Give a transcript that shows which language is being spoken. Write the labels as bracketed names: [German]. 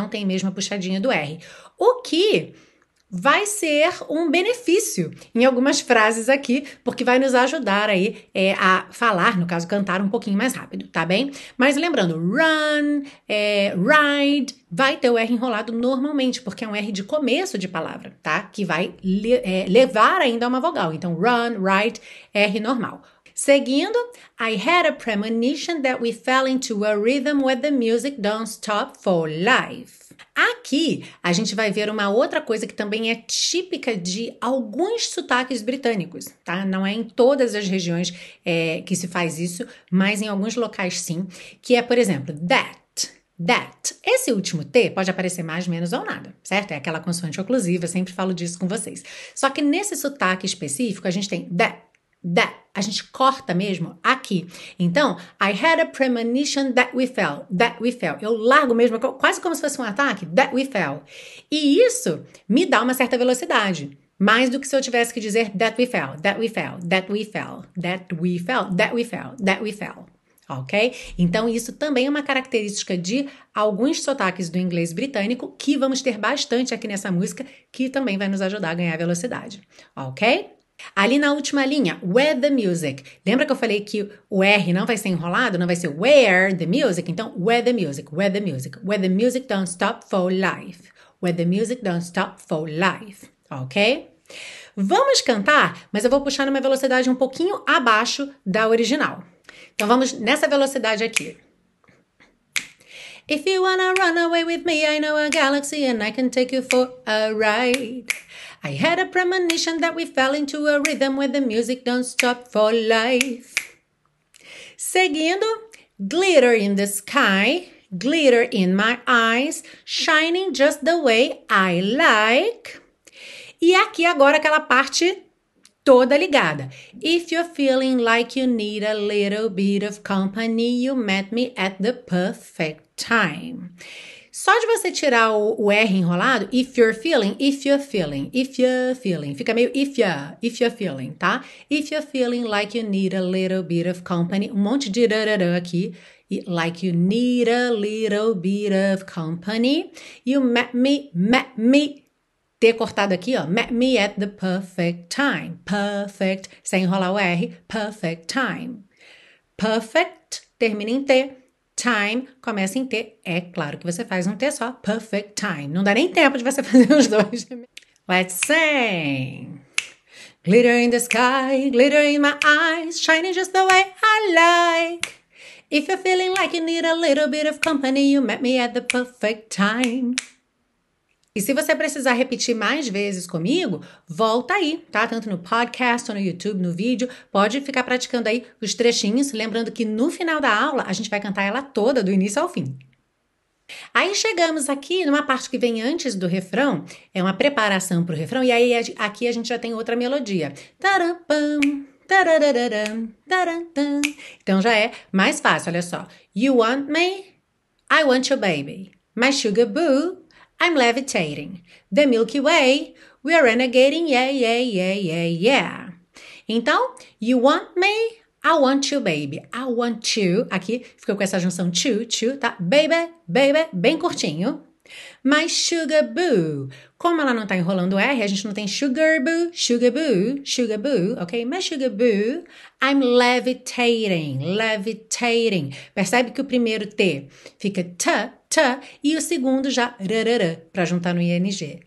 [Portuguese] Não tem mesmo a puxadinha do R. O que vai ser um benefício em algumas frases aqui, porque vai nos ajudar aí a falar, no caso, cantar um pouquinho mais rápido, tá bem? Mas lembrando, [English] run, ride, [Portuguese] vai ter o R enrolado normalmente, porque é um R de começo de palavra, tá? Que vai levar ainda a uma vogal. Então, [English] run, ride, [Portuguese] R normal. Seguindo, [English] I had a premonition that we fell into a rhythm where the music don't stop for life. [Portuguese] Aqui a gente vai ver uma outra coisa que também é típica de alguns sotaques britânicos, tá? Não é em todas as regiões que se faz isso, mas em alguns locais sim, que é, por exemplo, that. Esse último T pode aparecer mais, menos ou nada, certo? É aquela consoante oclusiva, sempre falo disso com vocês. Só que nesse sotaque específico a gente tem that. A gente corta mesmo aqui. Então, [English] I had a premonition that we fell. [Portuguese] Eu largo mesmo, quase como se fosse um ataque, [English] that we fell. [Portuguese] E isso me dá uma certa velocidade. Mais do que se eu tivesse que dizer [English] that we fell, that we fell, that we fell, that we fell, that we fell, that we fell. [Portuguese] Ok? Então, isso também é uma característica de alguns sotaques do inglês britânico que vamos ter bastante aqui nessa música, que também vai nos ajudar a ganhar velocidade. Ok? Ali na última linha, [English] where the music. [Portuguese] Lembra que eu falei que o R não vai ser enrolado? Não vai ser [English] where the music? [Portuguese] Então, [English] where the music, where the music. Where the music don't stop for life. Where the music don't stop for life. [Portuguese] Ok? Vamos cantar, mas eu vou puxar numa velocidade um pouquinho abaixo da original. Então, vamos nessa velocidade aqui. [English] If you wanna run away with me, I know a galaxy and I can take you for a ride. I had a premonition that we fell into a rhythm where the music don't stop for life. [Portuguese] Seguindo, [English] glitter in the sky, glitter in my eyes, shining just the way I like. [Portuguese] E aqui agora aquela parte toda ligada. [English] If you're feeling like you need a little bit of company, you met me at the perfect time. [Portuguese] Só de você tirar o R enrolado, [English] if you're feeling, if you're feeling, if you're feeling, [Portuguese] fica meio [English] if you're feeling, tá? If you're feeling like you need a little bit of company, [Portuguese] um monte de rararã aqui, [English] like you need a little bit of company, you met me, [Portuguese] ter cortado aqui, ó, [English] met me at the perfect time, perfect, [Portuguese] sem enrolar o R, [English] perfect time, perfect, [Portuguese] termina em T. Time começa em T. É claro que você faz um T só. Perfect time. Não dá nem tempo de você fazer os dois. [English] Let's sing. Glitter in the sky, glitter in my eyes, shining just the way I like. If you're feeling like you need a little bit of company, you met me at the perfect time. [Portuguese] E se você precisar repetir mais vezes comigo, volta aí, tá? Tanto no podcast, ou no YouTube, no vídeo. Pode ficar praticando aí os trechinhos. Lembrando que no final da aula, a gente vai cantar ela toda, do início ao fim. Aí chegamos aqui numa parte que vem antes do refrão. É uma preparação para o refrão. E aí aqui a gente já tem outra melodia. Tarampam, tarararam, tarantam. Então já é mais fácil, olha só. [English] You want me? I want your baby. My sugar boo. I'm levitating. The Milky Way, we are renegating, yeah. [Portuguese] Então, [English] you want me? I want you, baby. I want you. [Portuguese] Aqui ficou com essa junção to, tá? Baby, baby, bem curtinho. [English] My sugar boo. [Portuguese] Como ela não tá enrolando o R, a gente não tem [English] sugar boo, sugar boo, sugar boo, [Portuguese] ok? [English] My sugar boo. I'm levitating, levitating. [Portuguese] Percebe que o primeiro T fica t. Tá, e o segundo já rarara, para juntar no ing.